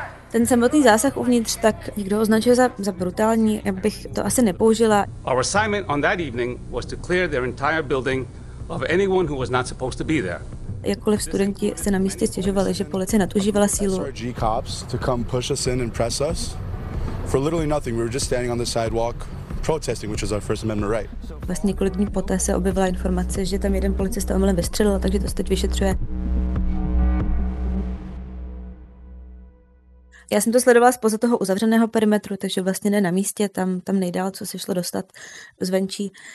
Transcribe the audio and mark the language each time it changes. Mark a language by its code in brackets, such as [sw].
[cs] Ten samotný zásah uvnitř, tak někdo označuje za brutální, já bych to asi nepoužila. [en] Our assignment on that evening was to clear their entire building of anyone who was not supposed to be there. [cs] Jakkoliv studenti se na místě stěžovali, že policie nadužívala sílu. [en] SRG cops to come push us in and press us. For literally nothing, we were just standing on the sidewalk protesting, which is our First Amendment right. [cs] Vlastně několik dní poté se objevila informace, že tam jeden policista omylem vystřelil, takže to se teď vyšetřuje. Já jsem to sledovala spoza toho uzavřeného perimetru, takže vlastně ne na místě, tam nejdál, co se šlo dostat zvenčí.